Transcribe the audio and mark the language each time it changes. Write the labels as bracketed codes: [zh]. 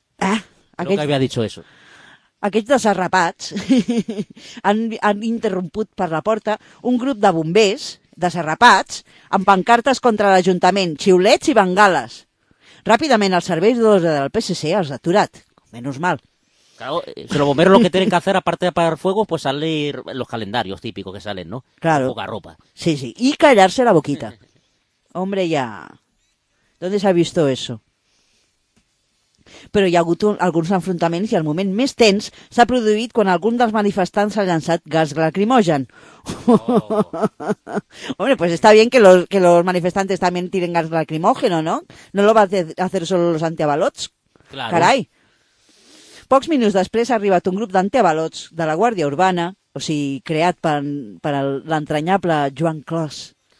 [ca] Jo que havia dit això. Aquests de serrapats han interromput per la porta un grup de bombers de serrapats amb pancartes contra l'Ajuntament, xiulets i bengales. Ràpidament els serveis d'ordre del PSC els ha aturat. [es] Menos mal. Claro, si los bomberos lo que tienen que hacer, aparte de apagar fuego, pues salir los calendarios típicos que salen, ¿no? Claro. Poca ropa. Sí, sí. Y callarse la boquita. Hombre, ya. ¿Dónde se ha visto eso? [ca] Però hi ha hagut alguns enfrontaments i el moment més tens s'ha produït quan algun dels manifestants ha llançat gas lacrimogen. Oh. [es] Hombre, pues está bien que los manifestantes también tiren gas lacrimógeno, ¿no? No lo va a hacer solo los antiavalots. Claro. [ca] Carai. Pocs minuts després ha arribat un grup d'antiavalots de la Guàrdia Urbana, o sigui, creat per l'entranyable Joan Clos.